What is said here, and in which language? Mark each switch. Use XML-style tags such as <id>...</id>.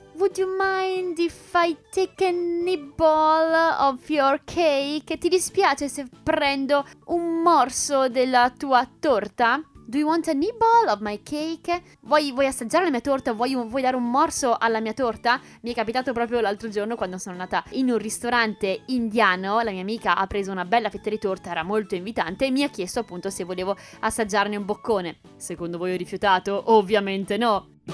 <en>Would you mind if I take a nibble of your cake?</en> <it>Ti dispiace se prendo un morso della tua torta?</it> <en>Do you want a nibble of my cake?</en> <it>Vuoi assaggiare la mia torta? Vuoi dare un morso alla mia torta? Mi è capitato proprio l'altro giorno quando sono andata in un ristorante indiano. La mia amica ha preso una bella fetta di torta, era molto invitante, e mi ha chiesto appunto se volevo assaggiarne un boccone. Secondo voi ho rifiutato? Ovviamente no!</it>